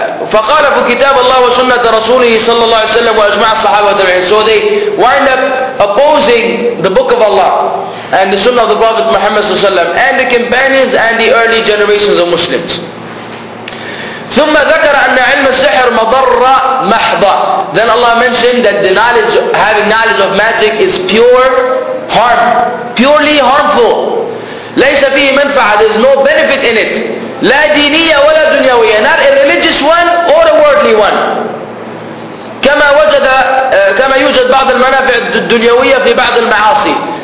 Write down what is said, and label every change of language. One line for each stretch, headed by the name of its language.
Arabic: فقال في كتاب الله وسنة رسوله صلى الله عليه وسلم وأجمع الصحابة والتابعين.
English: So they wind up opposing the book of Allah and the sunnah of the Prophet Muhammad صلى الله عليه وسلم and the companions and the early generations of Muslims.
Arabic: ثم ذكر أن علم السحر مضر محض.
English: Then Allah mentioned that the knowledge, having knowledge of magic, is pure harm, purely harmful.
Arabic: ليس فيه منفعة.
English: There's no benefit in it.
Arabic: لا دينية ولا دنيوية.
English: Not a religious one or a worldly one.
Arabic: كما يوجد بعض المنافع الدنيوية في بعض المعاصي.